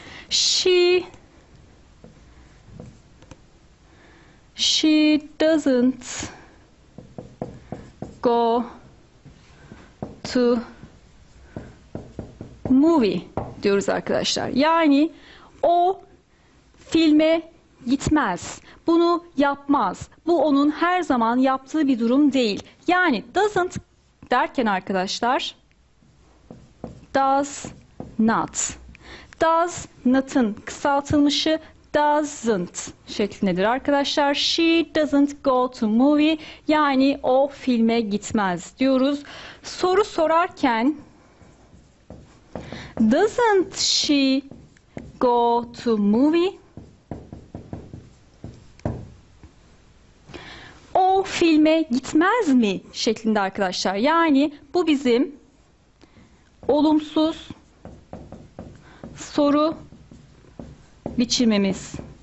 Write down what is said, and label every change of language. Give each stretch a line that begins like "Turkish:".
English: She doesn't go to movie
Turkish: diyoruz arkadaşlar. Yani o filme gitmez. Bunu yapmaz. Bu onun her zaman yaptığı bir durum değil. Yani doesn't derken arkadaşlar does not. Does not'ın kısaltılmışı doesn't şeklindedir arkadaşlar.
English: She doesn't go to movie.
Turkish: Yani o filme gitmez diyoruz. Soru sorarken
English: doesn't she go to movie?
Turkish: O filme gitmez mi şeklinde arkadaşlar. Yani bu bizim olumsuz soru biçimimiz.